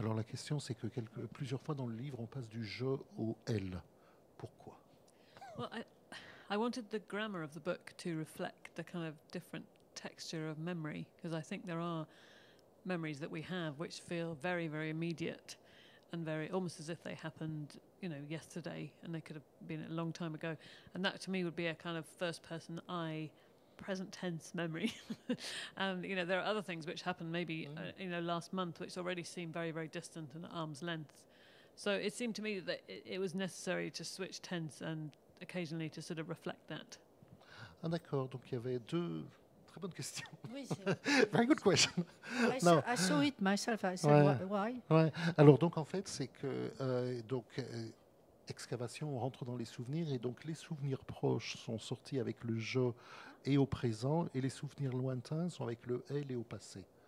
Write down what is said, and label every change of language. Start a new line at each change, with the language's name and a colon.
French: Alors la question, c'est que plusieurs fois dans le livre, on passe du je au elle. Pourquoi?
English: Well, I wanted the grammar of the book to reflect the kind of different texture of memory, because I think there are memories that we have which feel very, very immediate and very almost as if they happened, you know, yesterday, and they could have been a long time ago. And that to me would be a kind of first person I present tense memory. And you know, there are other things which happened maybe you know, last month, which already seem very, very distant and at arm's length. So it seemed to me that it was necessary to switch tense and occasionally to sort of reflect that.
French: Ah, d'accord. Donc il y avait deux très bonnes questions. Oui,
English: very good question. I saw it myself. I said, why?
French: Ouais. Alors donc en fait, c'est que excavation, on rentre dans les souvenirs, et donc les souvenirs proches sont sortis avec le je et au présent, et les souvenirs lointains sont avec le elle et au passé.